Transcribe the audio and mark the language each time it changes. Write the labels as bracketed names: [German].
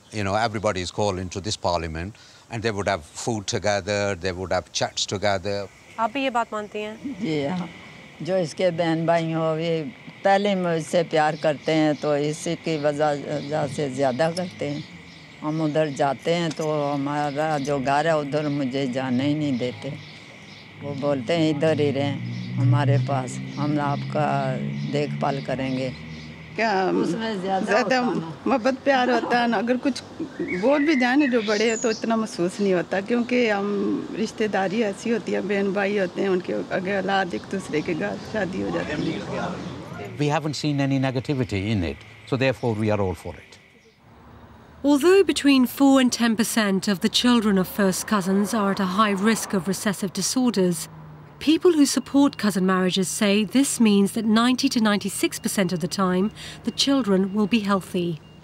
[English] You know, everybody's calling to this parliament, and they would have food together, they would have chats together. [Hindi] Aap bhi ye baat mante hain? Ji ha. Jo iske behan bhaiyon ho, ye पहले मुझसे प्यार करते हैं तो इसी की वजह से ज़्यादा करते हैं हम उधर जाते हैं तो हमारा जो घर है उधर मुझे जाने ही नहीं देते वो बोलते हैं इधर ही रहें हमारे पास हम आपका देखभाल करेंगे क्या ज़्यादा मोहब्बत प्यार होता है ना अगर कुछ बोल भी जाने जो बड़े हैं तो इतना महसूस नहीं होता क्योंकि हम रिश्तेदारी ऐसी होती है बहन भाई होते हैं उनके आगे औलाद एक दूसरे के घर शादी हो जाती है [English] We haven't seen any negativity in it, so therefore we are all for it. Although between 4 and 10% of the children of first cousins are at a high risk of recessive disorders, people who support cousin marriages say this means that 90 to 96% of the time, the children will be healthy.